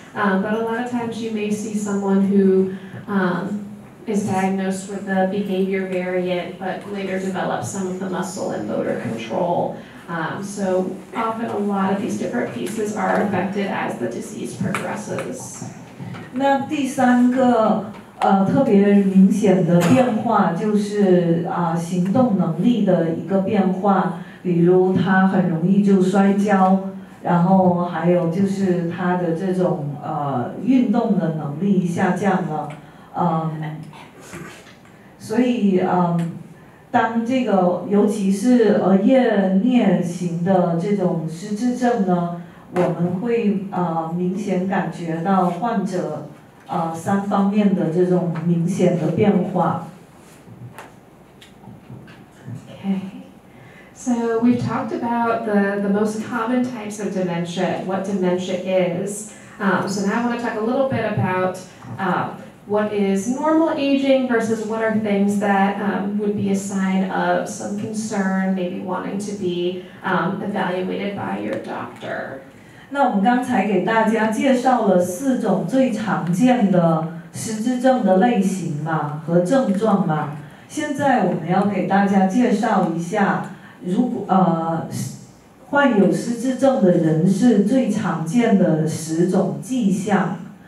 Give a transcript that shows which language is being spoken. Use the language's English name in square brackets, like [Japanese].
[English] But a lot of times you may see someone who is diagnosed with the behavior variant, but later develops some of the muscle and motor control. So often a lot of these different pieces are affected as the disease progresses. [Chinese] 那第三个特别明显的变化就是行动能力的一个变化，比如他很容易就摔跤，然后还有就是他的这种运动的能力下降了，所以当这个尤其是额叶颞型的这种失智症呢，我们会明显感觉到患者三方面的这种明显的变化。 [English] So we've talked about the most common types of dementia, what dementia is, So now I want to talk a little bit about what is normal aging versus what are things that would be a sign of some concern, maybe wanting to be evaluated by your doctor. [Chinese] 那我们刚才给大家介绍了四种最常见的失智症的类型嘛和症状嘛，现在我们要给大家介绍一下，如果患有失智症的人是最常见的十种迹象。